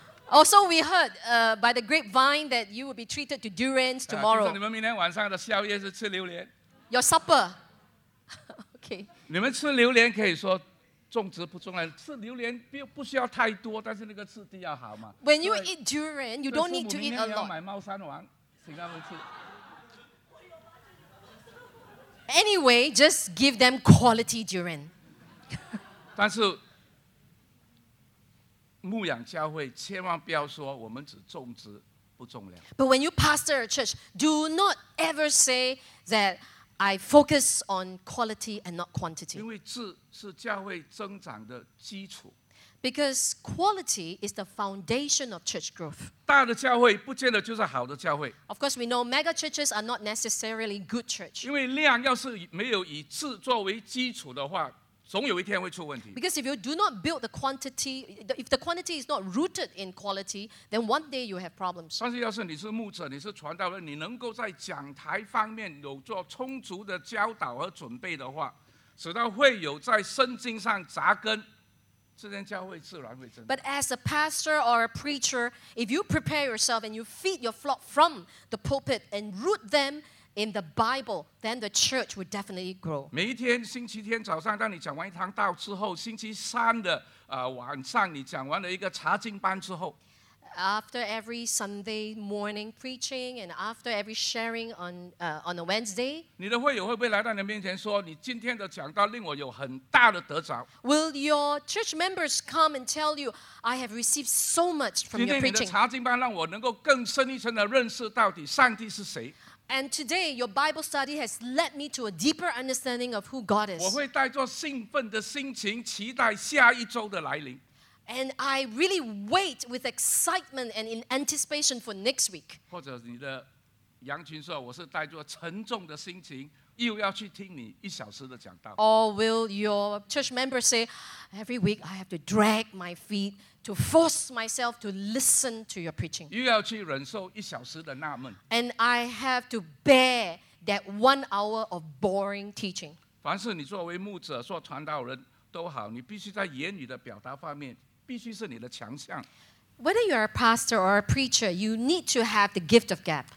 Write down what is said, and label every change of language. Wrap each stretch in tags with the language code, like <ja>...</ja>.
<en>Also, we heard by the grapevine that you will be treated to durians tomorrow.</en> <zh>你们明天晚上的宵夜是吃榴莲。</zh> <en>Your supper. Okay.</en> <zh>你们吃榴莲可以说重质不重量，吃榴莲不需要太多，但是那个质地要好嘛。</zh> <en>When you eat durian, you don't need to eat a lot.</en> <zh>你要买猫山王，请他们吃。</zh> <en>Anyway, just give them quality durian.</en> <zh>但是牧养教会千万不要说我们只重质不重量。</zh> <en>But when you pastor a church, do not ever say that I focus on quality and not quantity.</en> <zh>因为质是教会增长的基础。</zh> <en>Because quality is the foundation of church growth.</en> <zh>大的教会不见得就是好的教会。</zh> <en>Of course, we know mega churches are not necessarily good church.</en> <zh>因为量要是没有以质作为基础的话，总有一天会出问题。</zh> <en>Because if you do not build the quantity, if the quantity is not rooted in quality, then one day you have problems.</en> <zh>但是要是你是牧者，你是传道人，你能够在讲台方面有做充足的教导和准备的话，使到会友在圣经上扎根，这间教会自然会增长。</zh> <en>But as a pastor or a preacher, if you prepare yourself and you feed your flock from the pulpit and root them in the Bible, then the church would definitely grow.</en> <zh>每一天星期天早上，当你讲完一堂道之后，星期三的晚上，你讲完了一个查经班之后。</zh> <en>After every Sunday morning preaching and after every sharing on a Wednesday,</en> <zh>你的会友会不会来到你面前说，你今天的讲道令我有很大的得着？</zh> <en>Will your church members come and tell you, I have received so much from your preaching?</en> <zh>今天你的查经班让我能够更深一层的认识到底上帝是谁。</zh> <en>And today, your Bible study has led me to a deeper understanding of who God is.</en> <zh>我会带着兴奋的心情期待下一周的来临。</zh> <en>And I really wait with excitement and in anticipation for next week.</en> <zh>或者你的羊群说，我是带着沉重的心情又要去听你一小时的讲道。</zh> <en>Or will your church member say, every week I have to drag my feet to force myself to listen to your preaching.</en> <zh>又要去忍受一小时的纳闷。</zh> <en>And I have to bear that 1 hour of boring teaching.</en> <zh>凡是你作为牧者、做传道人都好，你必须在言语的表达方面必须是你的强项。</zh> <en>Whether you're a pastor or a preacher, you need to have the gift of gab.</en>